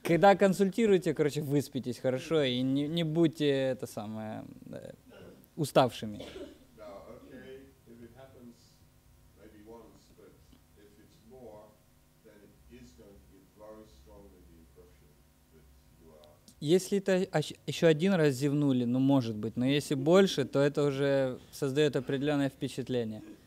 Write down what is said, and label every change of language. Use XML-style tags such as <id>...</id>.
<ru>Когда консультируете, короче, выспитесь хорошо и не будьте это самое уставшими.</ru> <en>Now, okay, if it happens maybe once, but if it's more, then it is going to give very strongly the impression that you are.</en> <ru>Если это еще один раз зевнули, ну может быть, но если больше, то это уже создает определенное впечатление.</ru>